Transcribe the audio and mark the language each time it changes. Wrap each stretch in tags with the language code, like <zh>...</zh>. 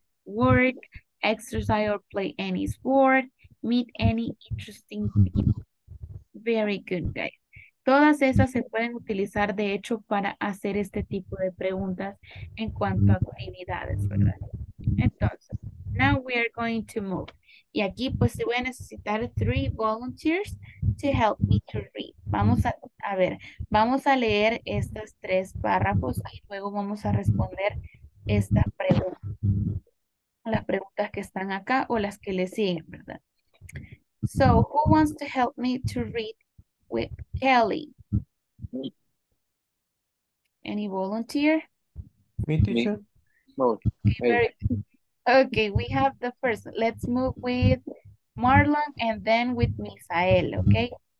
<en>Work, exercise or play any sport, meet any interesting people. Very good, guys.</en> <es>Todas esas se pueden utilizar, de hecho, para hacer este tipo de preguntas en cuanto a actividades, ¿verdad?</es> <en>Entonces, now we are going to move.</en> <es>Y aquí, pues, voy a necesitar</es> <en>3 volunteers to help me to read.</en> <es>Vamos a ver, vamos a leer estos 3 párrafos y luego vamos a responder estas preguntas. Las preguntas que están acá o las que le siguen, ¿verdad?</es> <en>So, who wants to help me to read with Kelly? Me. Any volunteer? Me, teacher. Okay, we have the first. Let's move with Marlon and then with Misael, okay?</en>